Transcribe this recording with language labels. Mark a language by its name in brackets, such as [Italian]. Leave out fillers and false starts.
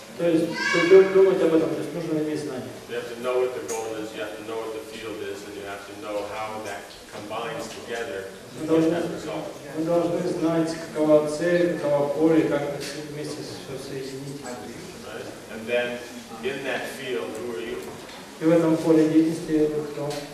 [Russian] То есть, чтобы думать об этом, то есть нужно иметь знания. [English] You have to know what the goal is. You have to know what the field is, and you have to know how that combines together to get that result. [Russian] Вы должны знать, какова цель, какова поле, как вместе все соединить. [English] And then. In that field, who are you? [Russian] И в этом поле деятельности кто?